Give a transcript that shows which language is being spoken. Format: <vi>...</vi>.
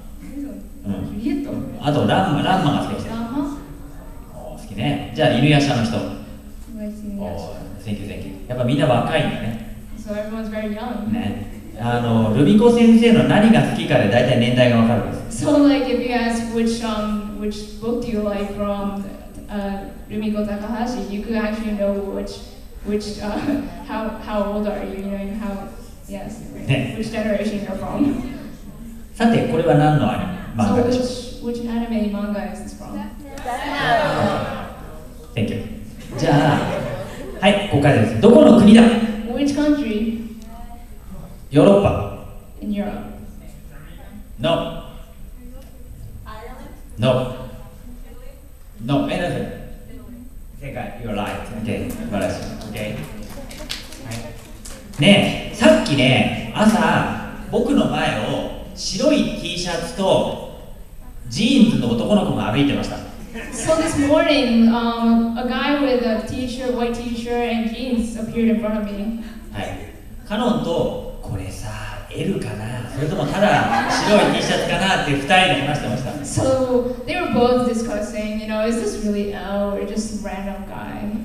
<ja>メゾン、うん、ジュリエット。あとランマが好きです。ランマ。お好きね。じゃあ犬夜叉の人。おお、</ja> <en>Thank you, thank you。</en> <ja>やっぱみんな若いんだね。</ja> <en>So everyone's very young。</en> <ja>ね、あのルミコ先生の何が好きかで大体年代がわかるんです。</ja> <en>So like if you ask which book do you like from Rumiko Takahashi, you could actually know which how old are you, you know, and how yes, which generation you're from.</en> <ja>さて、これは何のアニメ漫画でしょう。</ja> <en>So which anime manga is this from? Thank you。</en> <ja>じゃあ、はい、ここからです。どこの国だ。</ja> <en>Which country?</en> <ja>ヨーロッパ。</ja> <en>In Europe. No. No. No, anything.</en> <ja>正解、</ja> <en>you're right.</en> <ja>OK, 素晴らしい。OK? はい。ねえ、さっきね、朝、僕の前を白い T シャツとジーンズの男の子が歩いてました。</ja> <en>So this morning, a guy with a t-shirt, white t-shirt and jeans appeared in front of me.</en> <ja>はい。カノンと、これさ、L かな、それともただ白い T シャツかなって2人で話してました。</ja> <en>So they were both discussing, you know, is this really L or just a random guy?</en>